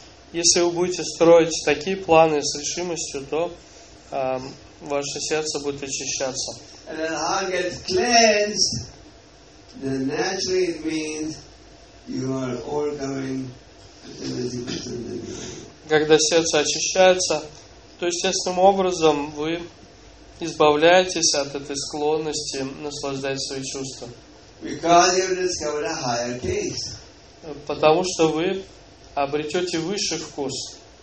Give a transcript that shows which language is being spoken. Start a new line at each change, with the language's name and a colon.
Russian: Если вы будете строить такие планы с решимостью, то ваше сердце будет очищаться.
English: And then heart gets cleansed, then naturally it means you are overcoming the tendency.
Russian: Когда сердце очищается, то естественным образом вы избавляетесь от этой склонности наслаждать свои чувства.
English: Because you discover a higher taste.
Russian: Потому что вы обретете высший вкус.